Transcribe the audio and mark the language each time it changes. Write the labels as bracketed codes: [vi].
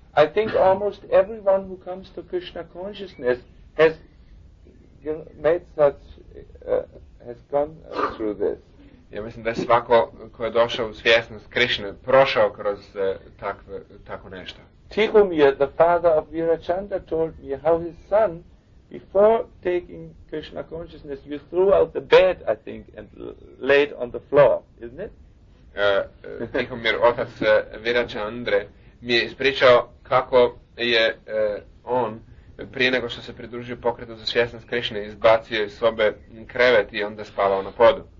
[en] I think almost everyone who comes to Krishna consciousness has made such has gone through this. [hr] Ja mislim da je svako ko je došao u svjesnost Krishna prošao kroz tako nešto. [en] Tihomir, the father of Virachanda, told me how his son, before taking Krishna consciousness, you threw out the bed, I think, and laid on the floor, isn't it? [hr] Tihomir, otac Virachandre, mi je ispričao kako je on, prije nego što se pridružio pokretu za svjesnost Krishna, izbacio iz sobe krevet i onda spavao na podu.